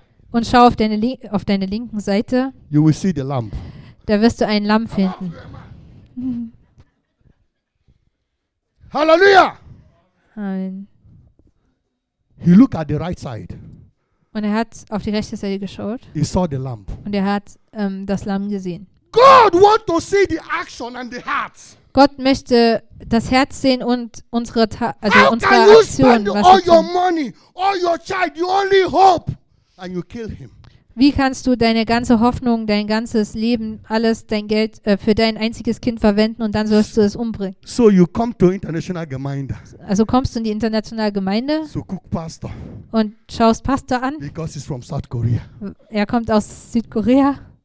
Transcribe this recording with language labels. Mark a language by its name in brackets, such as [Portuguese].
[German] Und schau auf deine linken Seite. [English] You will see the lamb. [German] Da wirst du einen Lamm finden. Halleluja! Amen. [English] He looked at the right side. [German] Und er hat auf die rechte Seite geschaut. [English] He saw the lamb. [German] Und er hat das Lamm gesehen. [English] God want to see the action and the hearts. [German] Gott möchte das Herz sehen und unsere unsere Aktion. [English] can you spend all your money, all your child, your only hope, and you kill him? [German] Wie kannst du deine ganze Hoffnung, dein ganzes Leben, alles dein Geld für dein einziges Kind verwenden und dann sollst du es umbringen? [English] So you come to international Gemeinde. [German] Also kommst du in die internationale Gemeinde. So guck Pastor. Und schaust Pastor an. [English] Because he's from South Korea. [German] Er kommt aus Südkorea.